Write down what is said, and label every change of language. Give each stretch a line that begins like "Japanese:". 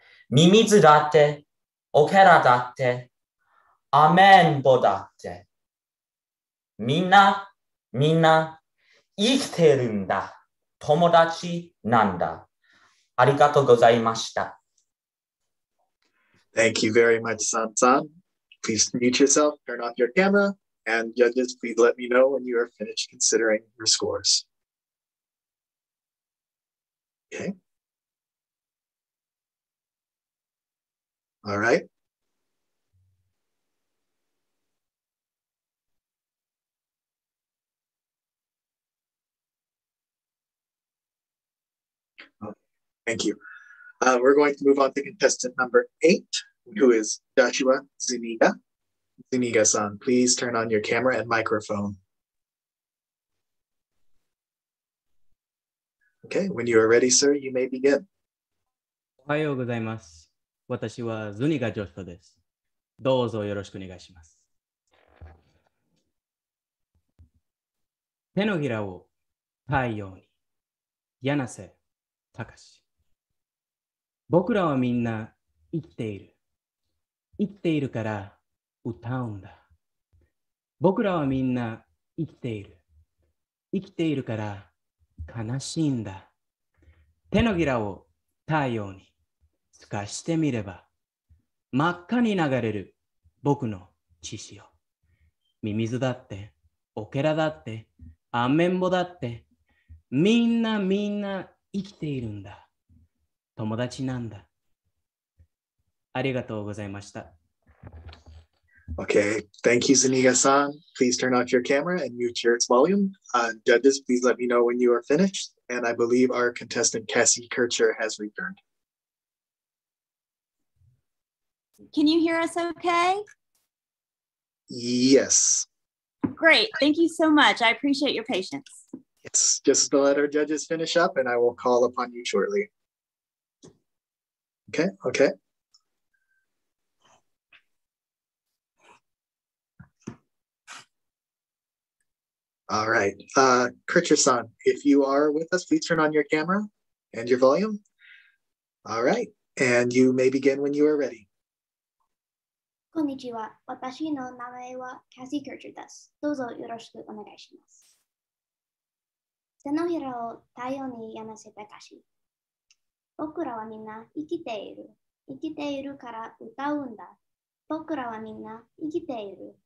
Japanese: ミミズだって、オケラだって、アメンボだって。みんな、みんな、生きてるんだ。友達なんだ。ありがとうございました。
English: Thank you very much, San-san. Please mute yourself, turn off your camera, and judges, please let me know when you are finished considering your scores. Okay. All right. Thank you. We're going to move on to contestant number eight, who is Joshua Zuniga. Zuniga-san, please turn on your camera and microphone. Okay, when you are ready, sir, you may begin.
Japanese: おはようございます。私は Zuniga Joshua です。どうぞよろしくお願いします。手のひらを太陽に、柳瀬隆。僕らはみんな生きている。生きているから歌うんだ。僕らはみんな生きている。生きているから悲しいんだ。手のひらを太陽に透かしてみれば、真っ赤に流れる僕の血潮。ミミズだって、オケラだって、アメンボだって、みんなみんな生きているんだ。友達なんだ。ありがとうございました。
English: Okay, thank you, Zuniga-san. Please turn off your camera and mute your volume. Judges, please let me know when you are finished. And I believe our contestant Cassie Kircher has returned. Can you hear us okay? Yes. Great, thank you so much. I appreciate your patience. Yes, just to let our judges finish up and I will call upon you shortly. Okay. All right, Kircher-san, if you are with us, please turn on your camera and your volume. All right, and you may begin when you are ready.
Japanese: こんにちは。私の名前はキャシー・キューチャーです。どうぞよろしくお願いします。手のひらを太陽にやなせたかし。僕らはみんな生きている。生きているから歌うんだ。僕らはみんな生きている。